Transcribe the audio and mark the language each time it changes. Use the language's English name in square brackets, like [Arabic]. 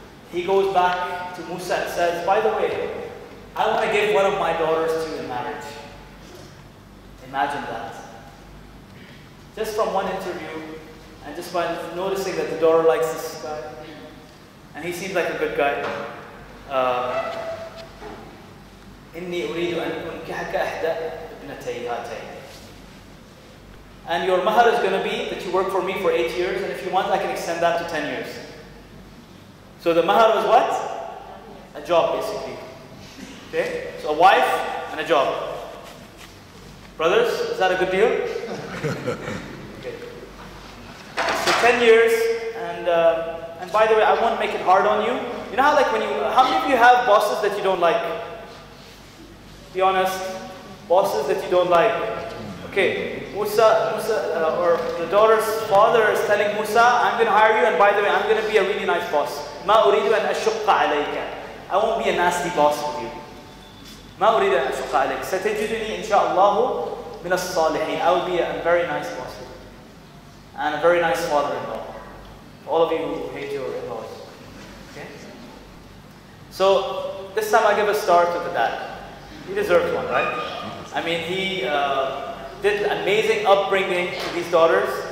[English] He goes back to Musa and says, by the way, I want to give one of my daughters to you in marriage. Imagine that. Just from one interview, and just by noticing that the daughter likes this guy, and he seems like a good guy. [Arabic] إِنِّي أُرِيدُ أَنْ أُنْكِحَكَ أَحْدَى ابْنَتَيْ هَاتَيْ. [English] And your mahar is going to be that you work for me for 8 years, and if you want, I can extend that to 10 years. So the mahar was what? A job, basically. Okay? So a wife and a job. Brothers, is that a good deal? 10 years, and by the way, I won't make it hard on you. You know how like when you, how many of you have bosses that you don't like? Be honest, bosses that you don't like. OK? Okay, Musa, or the daughter's father is telling Musa, I'm going to hire you, and by the way, I'm going to be a really nice boss. [Arabic] ما أريد أن أشق عليك. [English] I won't be a nasty boss with you. [Arabic] ما أريد أن أشق عليك. ستجدني إن شاء الله من الصالحين. [English] I will be a very nice boss with you. And a very nice father-in-law. All of you who hate your in-laws. Okay? So, this time I give a star to the dad. He deserves one, right? I mean, he did amazing upbringing to these daughters.